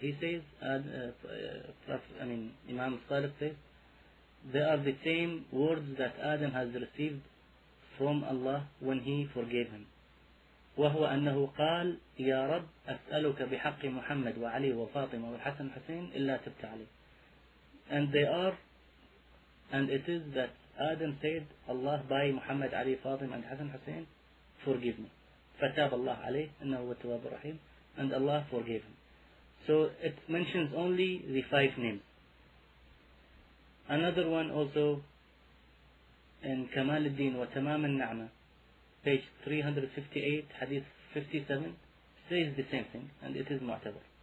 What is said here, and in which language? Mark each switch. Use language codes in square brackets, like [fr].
[en] He says, Imam Sadiq says, they are the same words that Adam has received from Allah when he forgave him. [ar] وهو أنه قال يا رب أسألك بحق محمد وعلي وفاطمة وحسن حسين إلا تبت علي. [en] And it is that Adam said, Allah by Muhammad, Ali, Fatim and Hasan Hussein, forgive me. [ar] فَتَابَ اللَّهُ عَلَيْهِ إِنَّهُ وَتَوَابُ الرَّحِيمُ. [en] And Allah forgave him. So it mentions only the five names. Another one also in Kamal al-Din wa Tamam al-Na'ma, page 358, hadith 57, says the same thing, and it is mu'tabar.